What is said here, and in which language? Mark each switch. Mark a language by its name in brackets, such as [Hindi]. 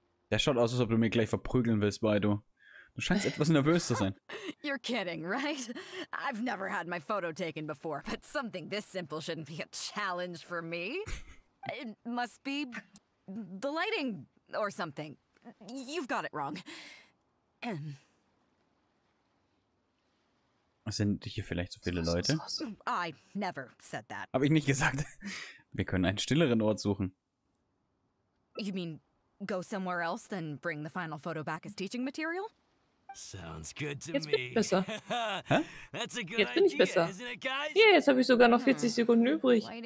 [German] Der schaut aus, als ob du mich gleich verprügeln willst, Beidou. Du scheinst etwas nervös zu sein. [English] You're kidding, right? I've never had my photo taken before, but something this simple shouldn't be a challenge for me. It must be the lighting or something. You've got it wrong. [German] Sind hier vielleicht so viele Leute? [English] I never said that. [German] Habe ich nicht gesagt. Wir können einen stilleren Ort suchen. [English] You mean go somewhere else than bring the final photo back as teaching material? Sounds good to [German] jetzt bin ich besser. Hä? [English] That's a good [German] jetzt bin ich besser. [English] Idea, yeah, [German] jetzt habe ich sogar noch 40 Sekunden übrig.